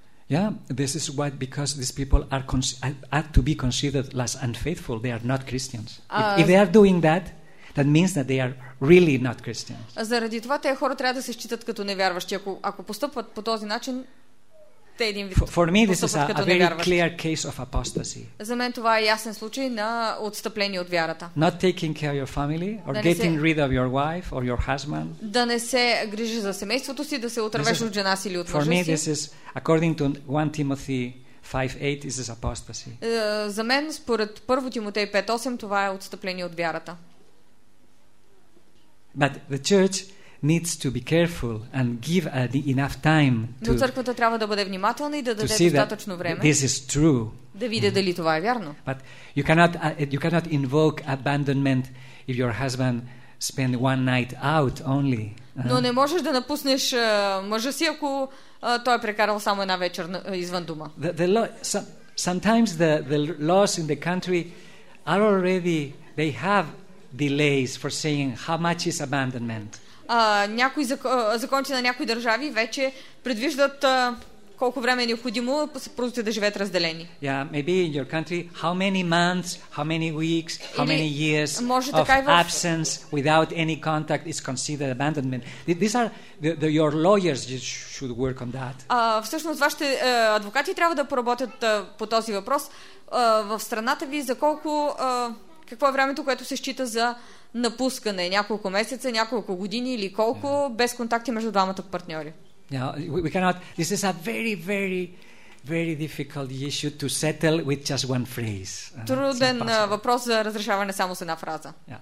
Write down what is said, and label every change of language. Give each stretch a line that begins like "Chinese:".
English: Yeah, this is why, because these people are to be considered as unfaithful. They are not Christians. If they are doing that, that means that they are really not Christians.
Bulgarian: Заради това тези хора трябва да се считат като невярващи, ако постъпват по този начин.
English: For me, this is a very clear case of apostasy.
Bulgarian: За мен това е ясен случай на отстъпление от вярата.
English: Not taking care of your family or getting rid of your wife or your husband.
Bulgarian: Да не се грижи за семейството си, да се отървеш от жена си или от мъжа си.
English: For me, this is according to 1 Timothy 5:8, this is apostasy.
Bulgarian: За мен според 1 Тимотей 5:8 това е отстъпление от вярата.
English: But the church needs to be careful and give enough time to.
Bulgarian: Но църквата трябва да бъде внимателна и да даде достатъчно време.
English: This is true.
Bulgarian: Да види дали това е вярно.
English: But you cannot invoke abandonment if your husband spend one night out only.
Bulgarian: Но не можеш да напуснеш мъжа си, ако той е прекарал само една вечер извън дома.
English: Sometimes the laws in the country are already, they have delays for saying how much is abandonment.
Bulgarian: Някои закончи на някои държави вече предвиждат колко време е необходимо просто да живеят разделени.
English: Yeah, maybe in your country how many months, how many weeks, how many years of absence without any contact is considered abandonment. These are the your lawyers should work on that.
Bulgarian: Всъщност вашите адвокати трябва да поработят по този въпрос. В страната ви за колко какво е времето, което се счита за напускане, няколко месеца, няколко години или колко без контакти между двамата партньори.
English: We cannot. This is a very, very, very difficult issue to settle with just one phrase.
Bulgarian: Труден въпрос за разрешаване само с една фраза.